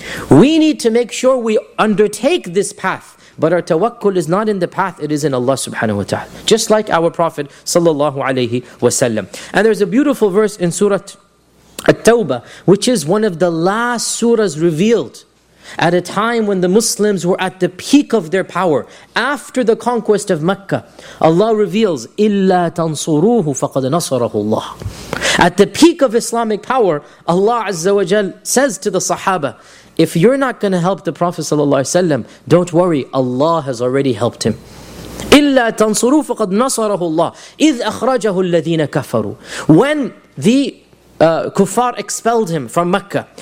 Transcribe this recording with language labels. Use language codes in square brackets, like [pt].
[en] We need to make sure we undertake this path. But our tawakkul is not in the path, it is in Allah subhanahu wa ta'ala. Just like our Prophet sallallahu alayhi wa sallam. And there's a beautiful verse in Surah At-Tawbah, which is one of the last surahs revealed at a time when the Muslims were at the peak of their power, after the conquest of Mecca. Allah reveals, [ar] إِلَّا تَنْصُرُوهُ فَقَدْ نَصَرَهُ اللَّهُ. [en] At the peak of Islamic power, Allah Azza wa Jal says to the Sahaba, if you're not going to help the Prophet ﷺ, don't worry, Allah has already helped him. [ar] إِلَّا تَنْصُرُوهُ فَقَدْ نَصَرَهُ اللَّهُ إِذْ أَخْرَجَهُ الَّذِينَ كَفَرُوا. [en] When the Kufar expelled him from Mecca.